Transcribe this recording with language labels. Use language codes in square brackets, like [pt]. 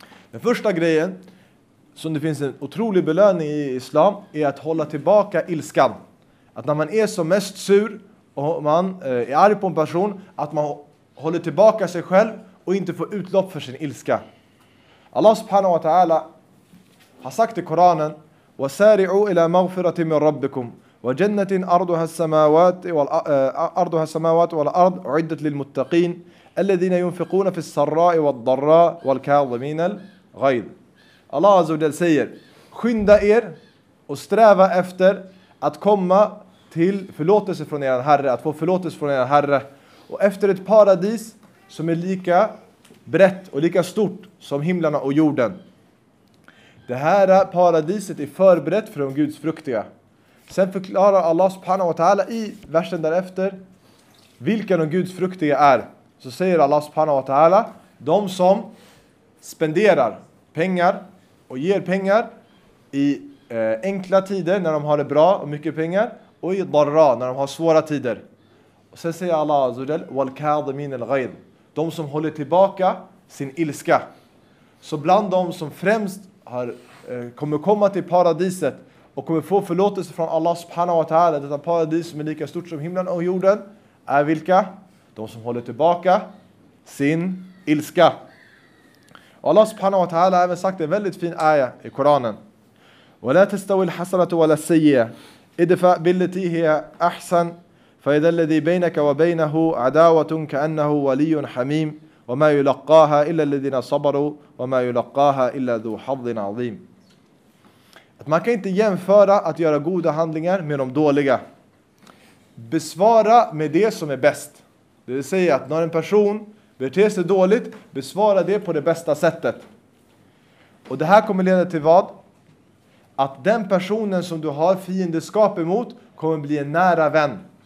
[sv] Den första grejen som det finns en otrolig belöning i islam är att hålla tillbaka ilskan. Att när man är som mest sur man är arg på en person, att man håller tillbaka sig själv och inte får utlopp för sin ilska. Allah subhanahu wa ta'ala har sagt i Koranen: [ar] وَسَارِعُوا إِلَى مَغْفِرَةٍ مِنْ رَبِّكُمْ وَجَنَّةٍ أَرْضُهَا السَّمَاوَاتِ وَالْأَرْضُ عِدَّةٌ لِلْمُتَّقِينَ الَّذِينَ يُنْفِقُونَ فِي السَّرَّاءِ وَالضَّرَّاءِ وَالْكَاظِمِينَ الْغَيْظَ. [sv] Allah azza wa jalla säger: skynda er och sträva efter att komma till förlåtelse från er Herre, att få förlåtelse från er Herre, och efter ett paradis som är lika brett och lika stort som himlarna och jorden. Det här paradiset är förberett för de gudsfruktiga. Sen förklarar Allah subhanahu wa ta'ala i versen därefter vilka de gudsfruktiga är. Så säger Allah subhanahu wa ta'ala: de som spenderar pengar och ger pengar i enkla tider när de har det bra och mycket pengar, och i darra när de har svåra tider. Och sen säger Allah azza wa jalla: [ar] wal kadhimin al ghayd, [sv] de som håller tillbaka sin ilska. Så bland de som främst kommer komma till paradiset och kommer få förlåtelse från Allah subhanahu wa ta'ala, detta paradis som är lika stort som himlen och jorden, är vilka? De som håller tillbaka sin ilska. Och Allah subhanahu wa ta'ala har även sagt en väldigt fin aya i Koranen: [ar] وَلَا تَسْتَوِي الْحَسَنَةُ وَلَا السَّيِّئَةُ اِدْفَعْ بِالَّتِي هِيَ أَحْسَنُ فَإِذَا الَّذِي بَيْنَكَ وَبَيْنَهُ عَدَاوَةٌ كَأَنَّهُ وَلِيٌّ حَمِيمٌ وَمَا يُلَقَّاهَا إِلَّا الَّذِينَ صَبَرُوا وَمَا يُلَقَّاهَا إِلَّا ذُو حَظٍّ عَظِيمٍ. [sv] Att man kan inte jämföra att göra goda handlingar med de dåliga. Besvara med det som är bäst. Det vill säga att när en person beter sig dåligt, besvara det på det bästa sättet. Och det här kommer leda till vad? Att den personen som du har fiendeskap emot kommer bli en nära vän.